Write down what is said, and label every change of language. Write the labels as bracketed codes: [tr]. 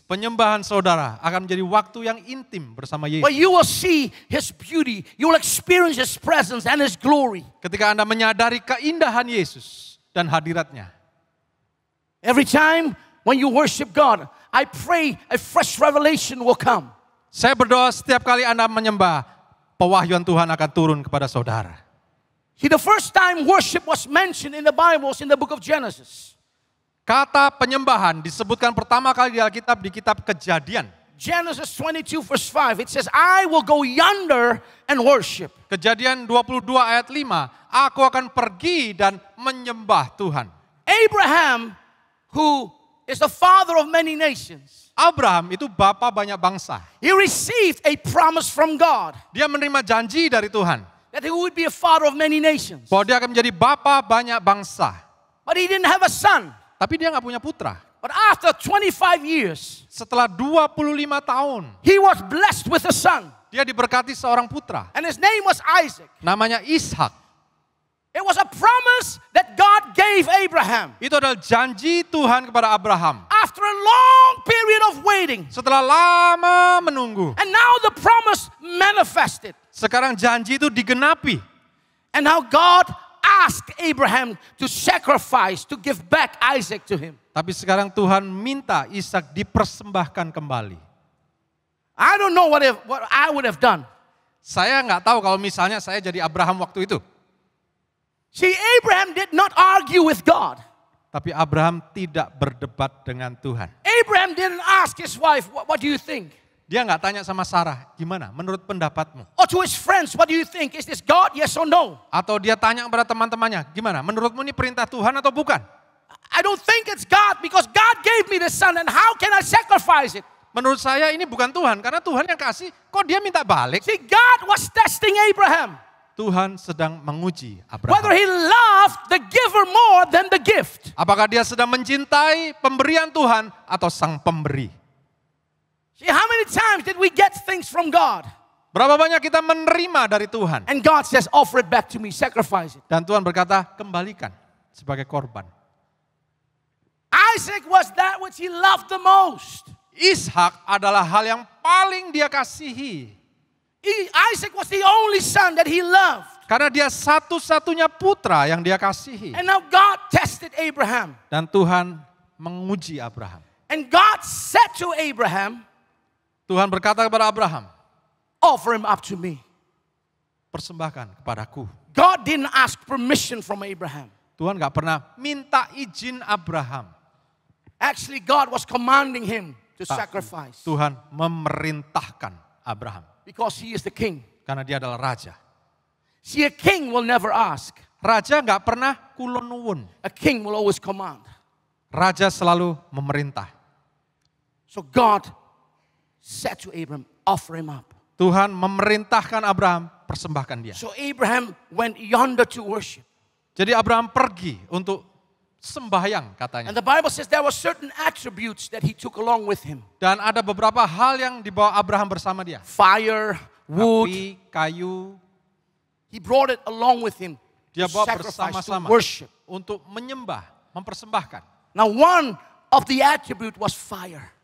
[id] Penyembahan saudara akan menjadi waktu yang intim bersama Yesus. [en] But you will see His beauty. You will experience His presence and His glory. [id] Ketika Anda menyadari keindahan Yesus dan hadirat-Nya. [en] Every time when you worship God, I pray a fresh revelation will come. [id] Saya berdoa setiap kali Anda menyembah, pewahyuan Tuhan akan turun kepada saudara. [en] See, the first time worship was mentioned in the Bible was in the book of Genesis. [id] Kata penyembahan disebutkan pertama kali di Alkitab di kitab Kejadian. [en] Genesis 22 verse 5, it says, I will go yonder and worship. [id] Kejadian 22 ayat 5, aku akan pergi dan menyembah Tuhan. [en] Abraham, who is the father of many nations. [id] Abraham itu bapa banyak bangsa. [en] He received a promise from God. [id] Dia menerima janji dari Tuhan. [en] That he would be a father of many nations. [id] Bahwa dia akan menjadi bapa banyak bangsa. [en] But he didn't have a son. [id] Tapi dia enggak punya putra. [en] But after 25 years, [id] setelah 25 tahun, [en] he was blessed with a son. [id] Dia diberkati seorang putra. [en] And his name was Isaac. [id] Namanya Ishak. [en] It was a promise that God gave Abraham. [id] Itu adalah janji Tuhan kepada Abraham. [en] After a long period of waiting. [id] Setelah lama menunggu. [en] And now the promise manifested. [id] Sekarang janji itu digenapi. [en] And now God asked Abraham to sacrifice, to give back Isaac to him. [id] Tapi sekarang Tuhan minta Ishak dipersembahkan kembali. [en] I don't know what I would have done. [id] Saya enggak tahu kalau misalnya saya jadi Abraham waktu itu. [en] See, Abraham did not argue with God. [id] Tapi Abraham tidak berdebat dengan Tuhan. [en] Abraham didn't ask his wife, what do you think? [id] Dia enggak tanya sama Sarah, gimana menurut pendapatmu? [en] Or to his friends, what do you think? Is this God, yes or no? [id] Atau dia tanya kepada teman-temannya, gimana menurutmu ini perintah Tuhan atau bukan? [en] I don't think it's God because God gave me the son and how can I sacrifice it? [id] Menurut saya ini bukan Tuhan, karena Tuhan yang kasih, kok dia minta balik? [en] See, God was testing Abraham. [id] Tuhan sedang menguji Abraham. [en] Whether he loved the giver more than the gift. [id] Apakah dia sedang mencintai pemberian Tuhan atau sang pemberi? [en] See, how many times did we get things from God? [id] Berapa banyak kita menerima dari Tuhan? [en] And God says, offer it back to me, sacrifice it. [id] Dan Tuhan berkata, kembalikan sebagai korban. [en] Isaac was that which he loved the most. [id] Ishak adalah hal yang paling dia kasihi. [en] Isaac was the only son that he loved. [id] Karena dia satu-satunya putra yang dia kasihi. [en] And now God tested Abraham. [id] Dan Tuhan menguji Abraham. [en] And God said to Abraham, [id] Tuhan berkata kepada Abraham, [en] offer him up to me. [id] Persembahkan kepadaku. [en] God didn't ask permission from Abraham. [id] Tuhan enggak pernah minta izin Abraham. [en] Actually God was commanding him to sacrifice. [id] Tuhan memerintahkan Abraham. [en] Because he is the king. [id] Karena dia adalah raja. [en] See, a king will never ask. [id] Raja enggak pernah kulonuwun. [en] A king will always command. [id] Raja selalu memerintah. [en] So God said to Abraham, offer him up. [id] Tuhan memerintahkan Abraham, persembahkan dia. [en] So Abraham went yonder to worship. [id] Jadi Abraham pergi untuk sembahyang katanya. [en] And the Bible says there were certain attributes that he took along with him. [id] Dan ada beberapa hal yang dibawa Abraham bersama dia. [en] Fire, wood, [id] api, kayu. [en] He brought it along with him. [id] Dia bawa bersama-sama [en] worship [id] untuk menyembah, mempersembahkan. [en] Now one of the attribute was fire.